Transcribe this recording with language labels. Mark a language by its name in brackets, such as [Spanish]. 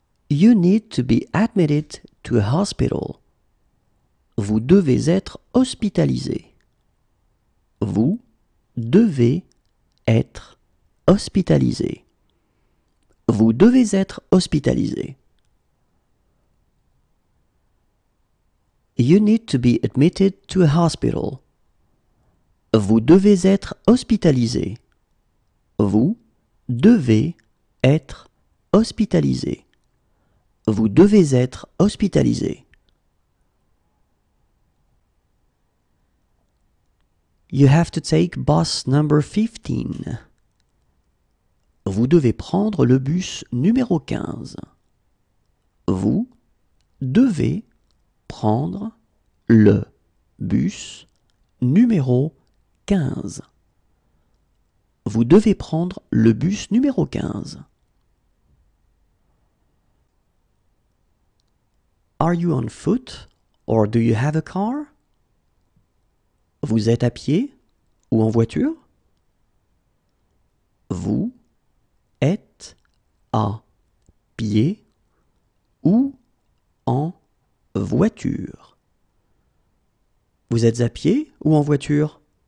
[English] You need to be admitted to a hospital. [French] Vous devez être hospitalisé. Vous devez être hospitalisé. Vous devez être hospitalisé. [English] You need to be admitted to a hospital. [French] Vous devez être hospitalisé. Vous devez être hospitalisé. Vous devez être hospitalisé. [English] You have to take bus number 15. [French] Vous devez prendre le bus numéro 15. Vous devez prendre le bus numéro 15. Vous devez prendre le bus numéro 15. [English] Are you on foot or do you have a car? [French] Vous êtes à pied ou en voiture? Vous êtes à pied ou en voiture? Vous êtes à pied ou en voiture?